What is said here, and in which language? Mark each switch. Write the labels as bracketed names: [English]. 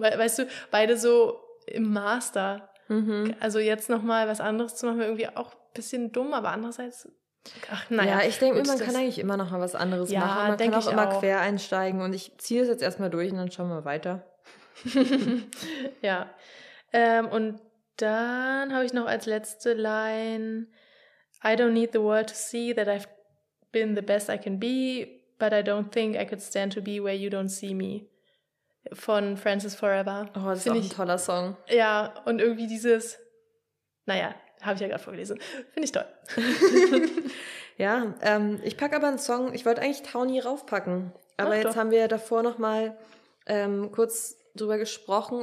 [German] Weißt du, beide so im Master. Mhm. Also jetzt nochmal was anderes zu machen, irgendwie auch ein bisschen dumm, aber andererseits... Ach, naja. Ja, ich denke, man kann eigentlich immer noch mal was anderes machen. Man kann auch immer quer einsteigen und ich ziehe es jetzt erstmal durch und dann schauen wir weiter. Ja. Und dann habe ich noch als letzte Line: [English] I don't need the world to see that I've been the best I can be, but I don't think I could stand to be where you don't see me. [German] Von Francis Forever. Oh, das ist auch ein toller Song. Ja, und irgendwie dieses, naja, habe ich ja gerade vorgelesen. Finde ich toll. Ja, ich packe aber einen Song. Ich wollte eigentlich Townie raufpacken. Aber ach, jetzt doch. Haben wir ja davor noch mal kurz drüber gesprochen.